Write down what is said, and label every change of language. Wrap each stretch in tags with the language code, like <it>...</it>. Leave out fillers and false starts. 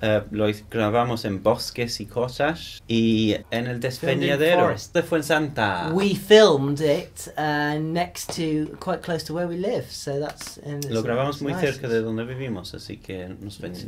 <es>lo grabamos en bosques y cosas y en el despeñadero de Fuensanta.</es> <en>We filmed it next to, quite close to where we live, so that's...</en> <es>Lo grabamos muy cerca de donde vivimos, así que nos venía</es>